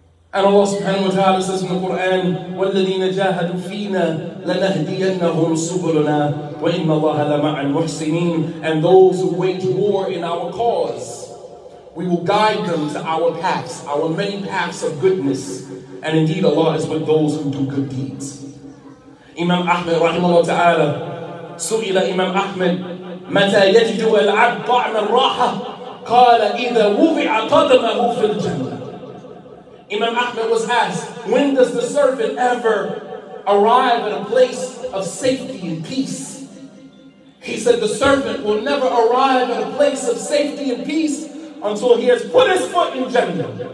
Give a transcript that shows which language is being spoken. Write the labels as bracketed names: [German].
[English] And Allah subhanahu wa ta'ala says in the Quran, [Arabic] وَالَّذِينَ جَاهَدُوا فِينَا لَنَهْدِيَنَّهُمْ سُبُلُنَا وَإِنَّ اللَّهَ لَمَعَ الْمُحْسِنِينَ. [English] And those who wage war in our cause, we will guide them to our paths, our many paths of goodness. And indeed, Allah is with those who do good deeds. [Arabic] Imam Ahmed, rahimahullah ta'ala, su'ila Imam Ahmed, مَتَى يَجِدُوا الْعَبْ طَعْمَ الرَّاحَةِ قَالَ إِذَا وُضِعَ قَدْمَهُ فِي الْجَنَّةِ. [English] Imam Ahmed was asked, when does the servant ever arrive at a place of safety and peace? He said, the servant will never arrive at a place of safety and peace until he has put his foot in Jannah.